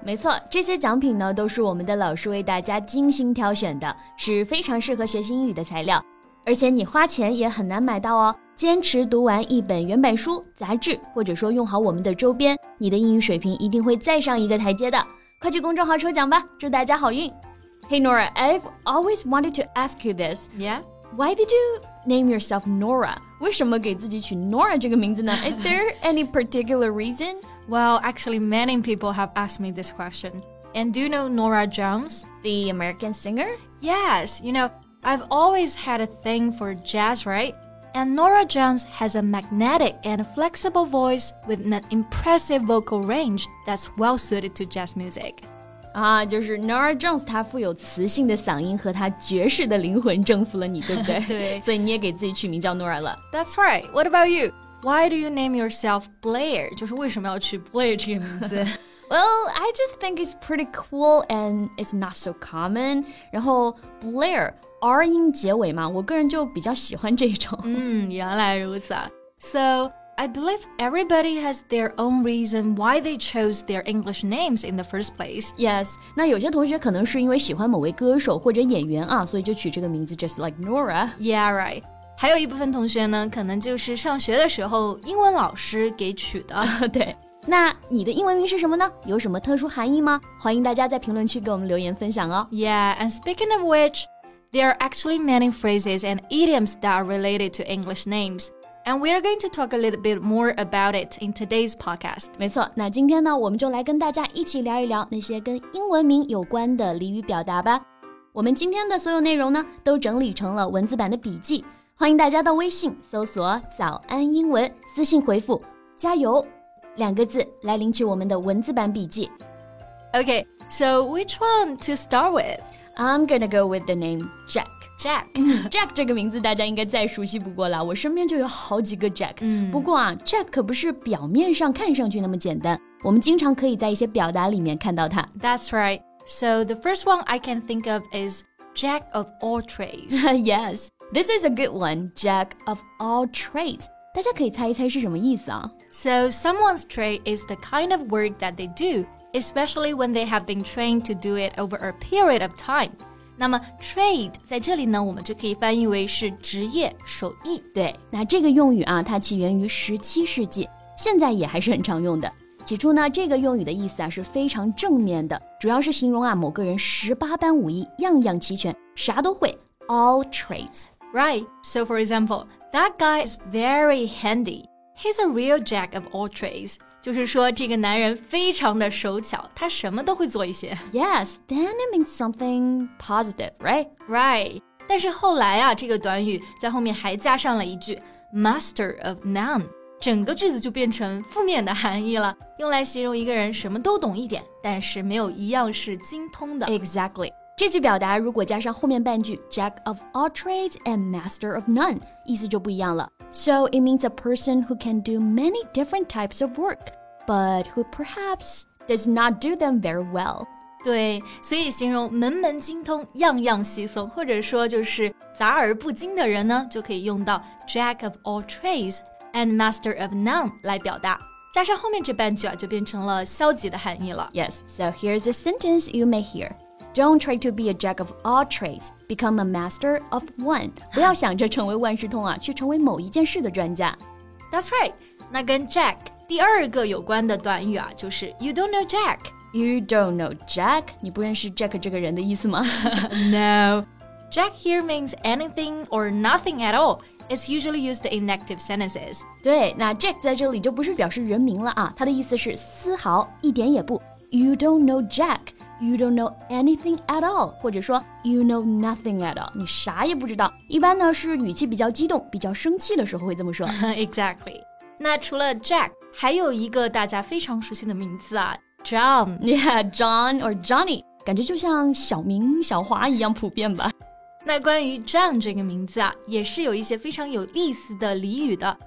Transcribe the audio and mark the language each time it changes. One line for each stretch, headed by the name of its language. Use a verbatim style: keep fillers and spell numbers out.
Chinese: 没错，这些奖品呢都是我们的老师为大家精心挑选的，是非常适合学习英语的材料，而且你花钱也很难买到哦。坚持读完一本原版书、杂志，或者说用好我们的周边，你的英语水平一定会再上一个台阶的。快去公众号抽奖吧，祝大家好运。
English: Hey Nora, I've always wanted to ask you this. Yeah? Why did you name yourself Nora?
Chinese: 为什么给自己取 Nora 这个名字呢？
English: Is there any particular reason? Well, actually many people have asked me this question. And do you know Nora Jones? The American singer? Yes, you know, I've always had a thing for jazz, right? And Nora Jones has a magnetic and flexible voice with an impressive vocal range that's well suited to jazz music.
Chinese: 啊，就是 Nora Jones 她富有磁性的嗓音和她爵士的灵魂征服了你，对不对？对，所以你也给自己取名叫 Nora 了。
English: That's right. What about you? Why do you name yourself Blair?
Chinese: 就是为什么要取 Blair 这个名字？
English: Well, I just think it's pretty cool and it's not so common.
Chinese: 然后 Blair R 音结尾嘛，我个人就比较喜欢这种。嗯，原来如此啊。
English: So I believe everybody has their own reason why they chose their English names in the first place.
Chinese: Yes, 那有些同学可能是因为喜欢某位歌手或者演员啊，所以就取这个名字
English: just like Nora. Yeah, right.
Chinese: 还有一部分同学呢，可能就是上学的时候英文老师给取的。对。那你的英文名是什么呢？有什么特殊含义吗？欢迎大家在评论区给我们留言分享哦。
English: Yeah, and speaking of which, there are actually many phrases and idioms that are related to English names. And we are going to talk a little bit more about it in today's podcast.
Chinese: 没错，那今天呢，我们就来跟大家一起聊一聊那些跟英文名有关的俚语表达吧。我们今天的所有内容呢，都整理成了文字版的笔记，欢迎大家到微信搜索“早安英文”，私信回复“加油”两个字来领取我们的文字版笔记。
English: Okay, so which one to start with? I'm gonna go with the name Jack. Jack.
Chinese: Jack 这个名字大家应该再熟悉不过了，我身边就有好几个 Jack、嗯。不过啊 ，Jack 可不是表面上看上去那么简单，我们经常可以在一些表达里面看到它。
English: That's right. So the first one I can think of is Jack of all trades. Yes, this is a good one. Jack of all trades.
Chinese: 大家可以猜一猜是什么意思啊
English: ？So someone's trade is the kind of work that they do. Especially when they have been trained to do it over a period of time.
Chinese: 那么 trade 在这里呢，我们就可以翻译为是职业、手艺。对，那这个用语啊，它起源于十七世纪，现在也还是很常用的。起初呢，这个用语的意思啊是非常正面的，主要是形容啊某个人十八般武艺，样样齐全，啥都会 ，all trades.
English: Right. So for example, that guy is very handy. He's a real jack of all trades.
Chinese: 就是说这个男人非常的手巧，他什么都会做一些。
English: Yes, then it means something positive, right? Right.
Chinese: 但是后来啊，这个短语在后面还加上了一句 master of none， 整个句子就变成负面的含义了，用来形容一个人什么都懂一点，但是没有一样是精通的。
English: Exactly.
Chinese: 这句表达如果加上后面半句 jack of all trades and master of none， 意思就不一样了。
English: So it means a person who can do many different types of work. But who perhaps does not do them very well.
Chinese: 对，所以形容门门精通、样样稀松，或者说就是杂而不精的人呢，就可以用到 jack of all trades and master of none 来表达。加上后面这半句啊，就变成了消极的含义了。
English: Yes, so here's a sentence you may hear. Don't try to be a jack of all trades, become a master of one.
Chinese: 不要想着成为万事通啊，去成为某一件事的专家。
English: That's right.
Chinese: 那跟
English: jack.
Chinese: 第二个有关的短语啊，就是
English: You don't know Jack. You don't know Jack?
Chinese: 你不认识 Jack 这个人的意思吗
English: No. Jack here means anything or nothing at all. It's usually used in negative sentences.
Chinese: 对，那 Jack 在这里就不是表示人名了啊，它的意思是丝毫一点也不。
English: You don't know Jack. You don't know anything at all.
Chinese: 或者说
English: You know nothing at all.
Chinese: 你啥也不知道。一般呢是语气比较激动、比较生气的时候会这么说。
English: Exactly.
Chinese: 那除了
English: Jack.
Chinese: 还有一个大家非常熟悉的名字啊 ,John.
English: Yeah, John or Johnny.
Chinese: 感觉就像小明、小华一样普遍吧。那关于 John 这个名字啊，也是有一些非常有意思的俚语的。